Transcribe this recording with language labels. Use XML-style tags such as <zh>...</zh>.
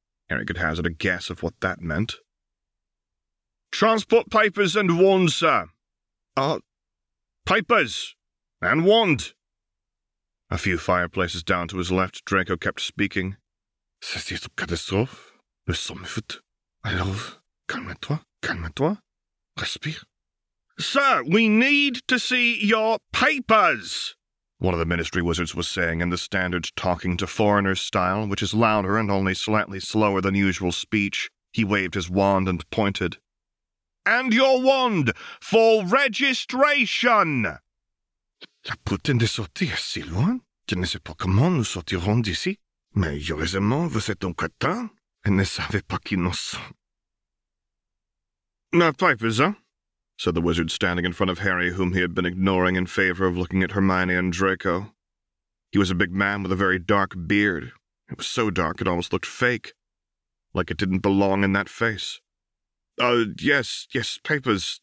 <en>Harry could hazard a guess of what that meant. "Transport papers and wand, sir." Papers and wand. A few fireplaces down to his left, Draco kept speaking.</en> <fr>"C'est une catastrophe. Nous sommes foutus. Alors, calme-toi, calme-toi. Respire."</fr> <en>"Sir, we need to see your papers," one of the Ministry wizards was saying in the standard talking to foreigners style, which is louder and only slightly slower than usual speech. He waved his wand and pointed. "And your wand for registration."</en> <fr>"La putain de sortie est si loin. Je ne sais pas comment nous sortirons d'ici. Mais heureusement, vous êtes un crétin et ne savez pas qui nous sommes."</fr> <en>"No papers, huh?" said the wizard, standing in front of Harry, whom he had been ignoring in favor of looking at Hermione and Draco. He was a big man with a very dark beard. It was so dark it almost looked fake, like it didn't belong in that face. Yes, papers.</en>